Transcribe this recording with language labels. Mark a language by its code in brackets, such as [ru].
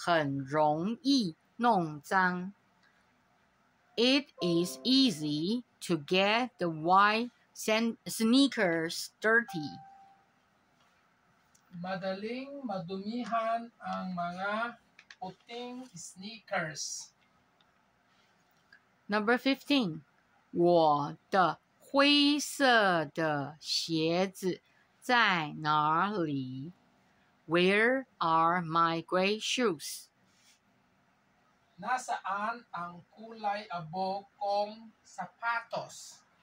[zh] 白色的球鞋很容易弄脏. [en] It is easy to get the white sneakers dirty. [tl] Madaling madumihan ang mga puting sneakers. [en] Number 15. [zh] 我的灰色的鞋子在哪里? [en] Where are my gray shoes? [tl] Nasaan ang kulay abo kong sapatos?